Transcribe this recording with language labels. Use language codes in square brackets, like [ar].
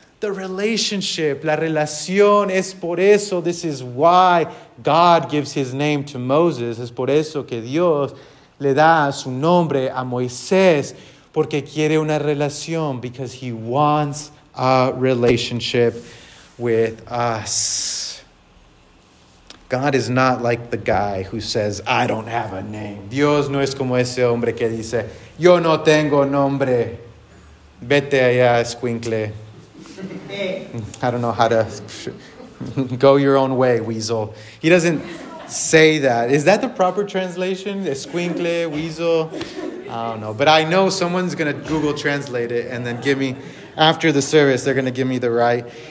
[en] The relationship, [es] la relación, es por eso, [en] this is why God gives his name to Moses, [es] es por eso que Dios le da su nombre a Moisés, porque quiere una relación, [en] because he wants a relationship with us. God is not like the guy who says, I don't have a name. [es] Dios no es como ese hombre que dice, yo no tengo nombre, vete allá, escuincle. [en] I don't know how to go your own way, weasel. He doesn't say that. Is that the proper translation? Esquincle, weasel? I don't know. But I know someone's going to Google translate it and then give me, after the service, they're going to give me the right.